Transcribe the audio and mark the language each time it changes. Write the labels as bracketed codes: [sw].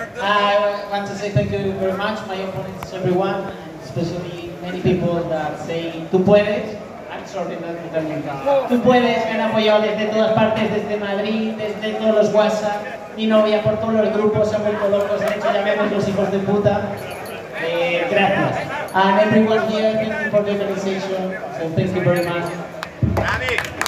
[en] I want to say thank you very much, my opponents, everyone, and especially many people that say, [es] tú puedes. [en] I'm sorry, no, no, no, no. [es] Tú puedes, me han apoyado desde todas partes, desde Madrid, desde todos los WhatsApp, mi novia, por todos los grupos, se han vuelto locos, han hecho llamemos los hijos de puta. Gracias. [en] And everyone here, thank you for the organization, so thank you very much.